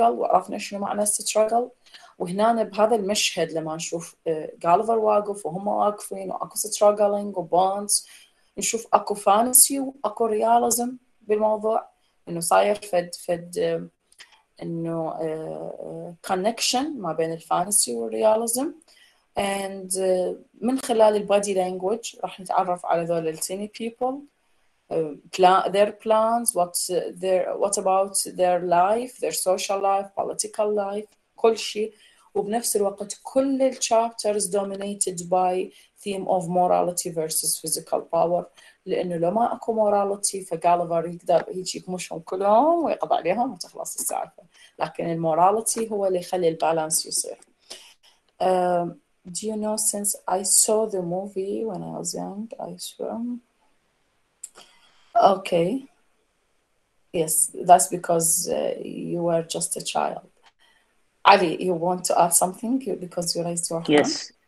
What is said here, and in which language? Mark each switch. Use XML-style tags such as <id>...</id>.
<ar>وعرفنا شنو معنى struggle. وهنا بهذا المشهد لما نشوف غالفر واقف وهم واقفين وأكو struggling وبونز, نشوف أكو fantasy وأكو realism بالموضوع, إنه صاير فد إنه connection ما بين الفانسي والرياليزم.</ar> <en>And</en> <ar>من خلال</ar> <en>body language</en> <ar>راح نتعرف على ذول التيني</ar> <en>people, their plans, what about their life, their social life, political life,</en> <ar>كل شيء. وبنفس الوقت كل الشابتر</ar> <en>is dominated by theme of morality versus physical power,</en> <ar>لأنه لما أكو morality فغالفر يقدر يجيب مشهم كلهم ويقضى عليهم وتخلص السالفة, لكن المورالتي هو اللي يخلي البالانس يصير.</ar> <en>Do you know, since I saw the movie when I was young, I swear. Okay. Yes, that's because you were just a child. Ali, you want to ask something because you raised your hand?</en>